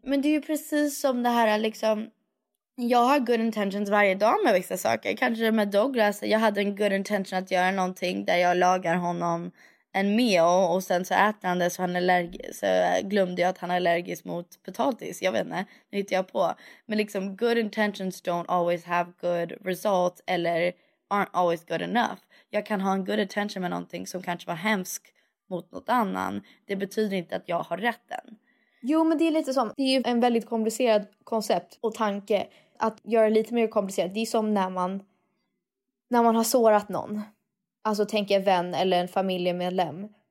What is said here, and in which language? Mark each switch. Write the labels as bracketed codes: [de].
[sv] Men det är ju precis som det här liksom... Jag har [en] good intentions [sv] varje dag med vissa saker. Kanske med Douglas. Jag hade en good intention att göra någonting där jag lagar honom en meal. Och sen så äter han det så han är allergisk. Så glömde jag att han är allergisk mot potatis. Jag vet inte. Nu hittar jag på. Men liksom [en] good intentions don't always have good results. [sv] Eller [en] aren't always good enough. [sv] Jag kan ha en good intention med någonting som kanske var hemsk mot något annan. Det betyder inte att jag har rätten. Jo, men det är lite som, det är ju en väldigt komplicerad koncept och tanke att göra lite mer komplicerat. Det är som när man har sårat någon. Alltså tänk en vän eller en familjemedlem.